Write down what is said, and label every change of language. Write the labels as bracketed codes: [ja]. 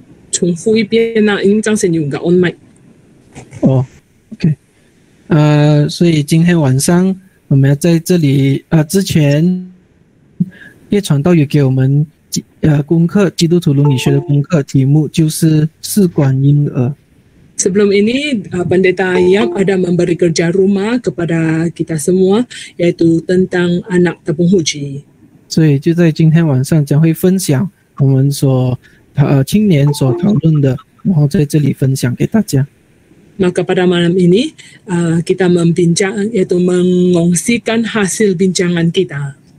[zh] 重复一遍啊, 因为张先生有个 [en] on mic. Oh, okay. [zh] 所以今天晚上我们要在这里, 之前叶传道有给我们, 功课, 基督徒伦理学的功课, 题目就是试管婴儿。 [ms] Sebelum ini, Pendeta Ayam ada memberi kerja rumah kepada kita semua, yaitu tentang anak tepung huji. [zh] 所以就在今天晚上将会分享我们所 青年所讨论的，然后在这里分享给大家。 [ms] Maka pada malam ini, kita membincang, yaitu mengongsikan hasil bincangan kita.